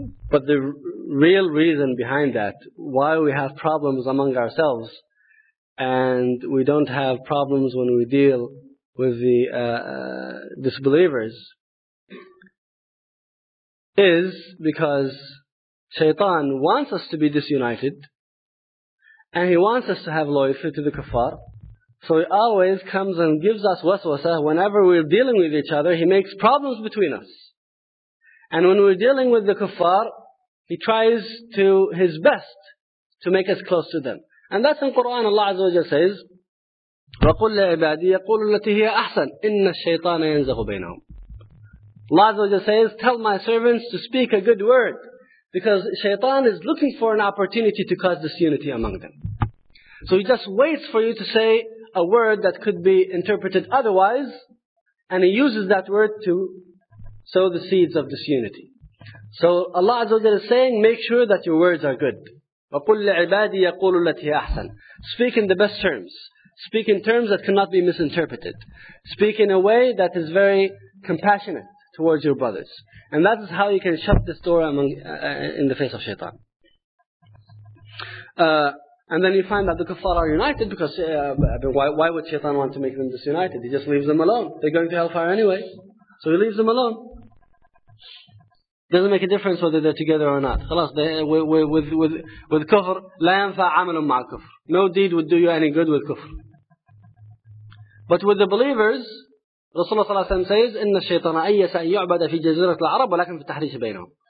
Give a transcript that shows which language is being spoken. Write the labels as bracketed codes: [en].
[en] But the real reason behind that, why we have problems among ourselves, and we don't have problems when we deal with the disbelievers, is because Shaytan wants us to be disunited, and he wants us to have loyalty to the kuffar. So he always comes and gives us waswasa whenever we're dealing with each other. He makes problems between us, and when we're dealing with the kuffar, he tries to his best to make us close to them. And that's in Quran. Allah Azza wa Jalla says, [ar] وَقُلْ لِعِبَادِي يَقُولُ الَّتِي هِيَ أَحْسَنُ إِنَّ الشَّيْطَانَ يَنْزَغُ بَيْنَهُمْ. [en] Allah Azza wa Jalla says, tell my servants to speak a good word, because Shaytan is looking for an opportunity to cause disunity among them. So he just waits for you to say a word that could be interpreted otherwise, and he uses that word to sow the seeds of disunity. So Allah Azza wa Jalla is saying, make sure that your words are good. [ar] وَقُلْ لِعِبَادِي يَقُولُ الَّتِي هِيَ أَحْسَنُ. [en] Speak in the best terms. Speak in terms that cannot be misinterpreted. Speak in a way that is very compassionate towards your brothers. And that is how you can shut this door in the face of Shaitan. And then you find that the kuffar are united, because why would Shaitan want to make them disunited? He just leaves them alone. They're going to hellfire anyway. So he leaves them alone. Doesn't make a difference whether they're together or not. [ar] خلاص, [en] with kufr, [ar] لا ينفع عمل مع الكفر. [en] No deed would do you any good with kufr. But with the believers, Rasulullah ﷺ says, [ar] إِنَّ الشَّيْطَانَ أَيَّسَ أَن يُعْبَدَ فِي جَزِيرَةِ الْعَرَبِ وَلَكِنْ فِي التَّحْرِيشِ بَيْنَهُمْ.